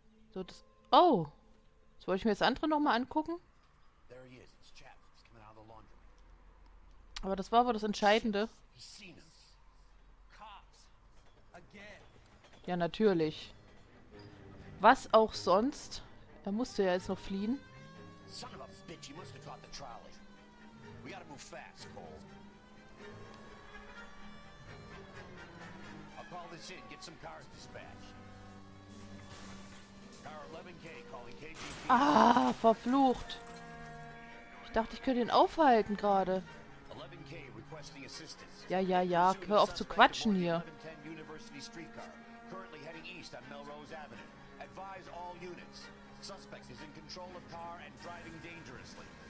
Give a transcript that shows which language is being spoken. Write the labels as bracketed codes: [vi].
[de] So, das... Oh! Jetzt wollte ich mir das andere nochmal angucken. Aber das war wohl das Entscheidende. Ja, natürlich. Was auch sonst. Er musste ja jetzt noch fliehen. [en] She must have dropped the trolley. We gotta move fast, Cole. I'll call this in, get some cars dispatched. Car 11K calling KGB. [de] Ah, verflucht. Ich dachte, ich könnte ihn aufhalten gerade. [en] 11K requesting assistance. [de] Ja, hör auf zu quatschen hier. [en] 1110 University Streetcar, currently heading east on Melrose Avenue. Advise all units. Suspect is in control of car and driving dangerously.